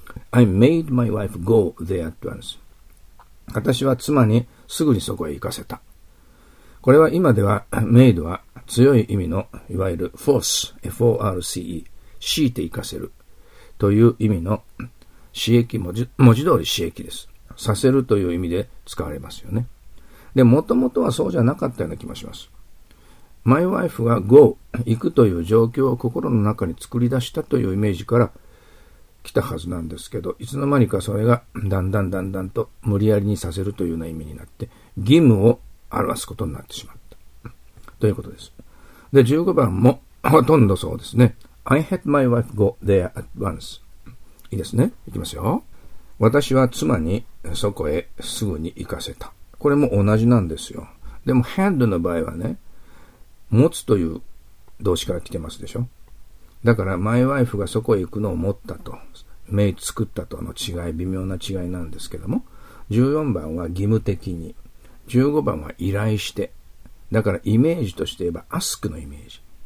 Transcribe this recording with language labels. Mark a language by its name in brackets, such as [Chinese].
[English] I made my wife go there at once. [Japanese] 私は妻にすぐにそこへ行かせた。これは今では、made は強い意味の、いわゆる force, F-O-R-C-E、強いて行かせるという意味の、使役、文字通り使役です。させるという意味で使われますよね。で、もともとはそうじゃなかったような気もします。 My wife が go、行くという状況を心の中に作り出したというイメージから来たはずなんですけど、いつの間にかそれがだんだんと無理やりにさせるというような意味になって、義務を表すことになってしまった。ということです。で、15番もほとんどそうですね。 [English] I had my wife go there at once. [Japanese] いいですね。いきますよ。私は妻にそこへすぐに行かせた。これも同じなんですよ。でも had の場合はね、持つという動詞から来てますでしょ。だから my wife がそこへ行くのを持ったと、メイ作ったとの違い、微妙な違いなんですけども、14番は義務的に、15番は依頼して、だからイメージとして言えば ask のイメージ。